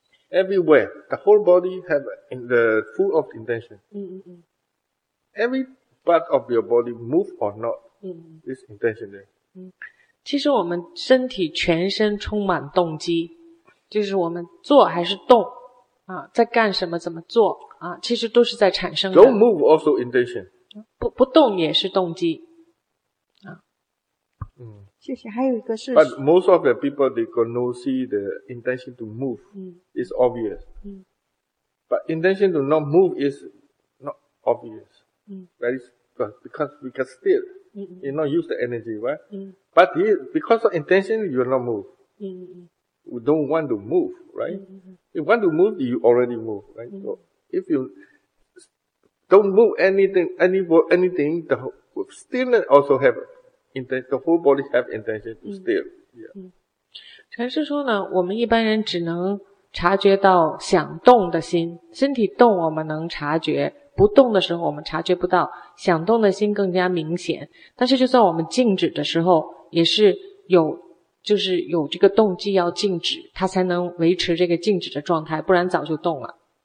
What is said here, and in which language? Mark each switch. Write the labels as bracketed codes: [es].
[en] Everywhere, the whole body have in the full of intention. Every part of your body move or not, is intentional. [zh] 其实我们身体全身充满动机，就是我们做还是动啊，在干什么怎么做啊，其实都是在产生的。 [en] Don't move also intention. [zh] 不动也是动机啊。谢谢。 [en] But most of the people, they could not see the intention to move. It's obvious. But intention to not move is not obvious. Because still, you not use the energy, right? But here, because of intention, you will not move. You don't want to move, right? You want to move, you already move, right? So if you don't move anything, still also have the whole body have intention to still. [zh] 禅师说呢，我们一般人只能察觉到想动的心，身体动我们能察觉，不动的时候我们察觉不到，想动的心更加明显。但是就算我们静止的时候，也是有，就是有这个动机要静止，它才能维持这个静止的状态，不然早就动了。